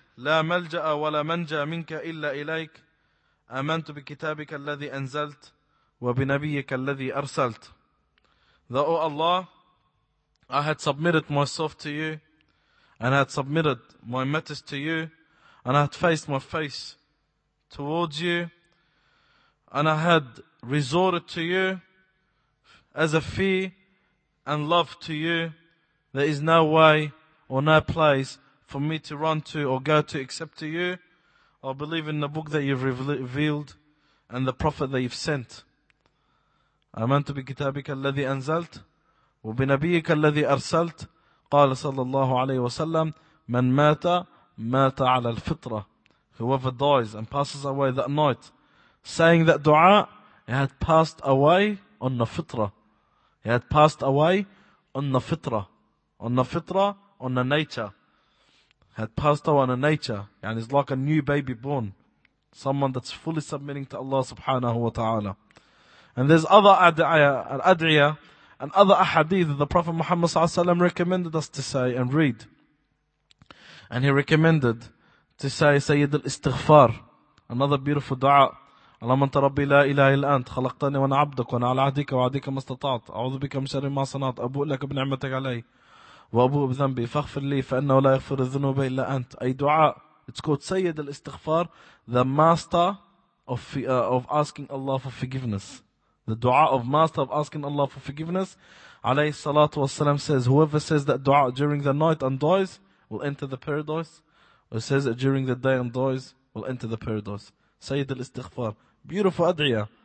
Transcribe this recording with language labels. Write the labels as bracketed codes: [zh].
[ar] لا ملجأ ولا منجا منك إلا إليك آمنت بكتابك الذي أنزلت وبنبيك الذي أرسلت. [en] Though, O Allah, I had submitted myself to you, and I had submitted my matters to you, and I had faced my face towards you, and I had resorted to you as a fear and love to you, there is no way or no place for me to run to or go to except to you. I believe in the book that you've revealed and the prophet that you've sent. [ar] آمنت بكتابك الذي أنزلت وبنبيك الذي أرسلت قال صلى الله عليه وسلم من مات مات على الفطرة. [en] Whoever dies and passes away that night saying that dua, he had passed away on the fitra. He had passed away on the fitra. On the fitra, on the nature. He had passed away on the nature. And he's like a new baby born. Someone that's fully submitting to Allah subhanahu wa ta'ala. And there's other ad'iyah and other ahadith that the Prophet Muhammad sallallahu alayhi wa sallam recommended us to say and read. And he recommended to say Sayyid al-Istighfar, another beautiful dua. [ar] اللهم انت ربي لا اله الا انت خلقتني وانا عبدك وانا على عهدك وعهدك ما استطعت اعوذ بك من شر ما صنعت ابوء لك بنعمتك علي وابوء بذنبي فاغفر لي فانه لا يغفر الذنوب الا انت. اي دعاء. [en] It's called [ar] سيد الاستغفار, [en] the master of asking Allah for forgiveness. The dua of master of asking Allah for forgiveness. [ar] عليه الصلاة والسلام [en] says whoever says that dua during the night and dies will enter the paradise, or says it during the day and dies will enter the paradise. Sayyid al-Istighfar. Beautiful ad'iyah.